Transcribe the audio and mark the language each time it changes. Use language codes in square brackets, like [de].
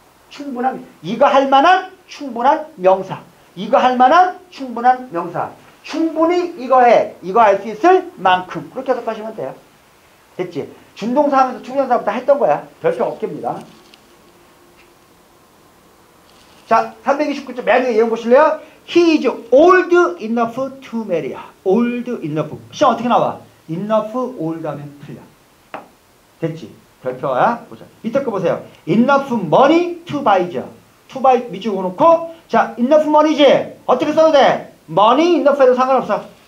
[ko] 충분한 이거 할 만한 충분한 명사. 이거 할 만한 충분한 명사. 충분히 이거 해. 이거 할 수 있을 만큼. 그렇게 해석하시면 돼요. 됐지? 준동사 하면서 투부정사부터 했던 거야. 별표 없겝니다. 자, 329쪽 맨 위에 예문 보실래요? [en] He is old enough to marry. [ko] Old enough. 시험 어떻게 나와? Enough old 하면 틀려. 됐지? 별표야? 보자. 밑에 거 보세요. Enough money to buy. To buy 밑줄 그어놓고 자, enough money지. 어떻게 써도 돼? money, enough 해도 상관없어.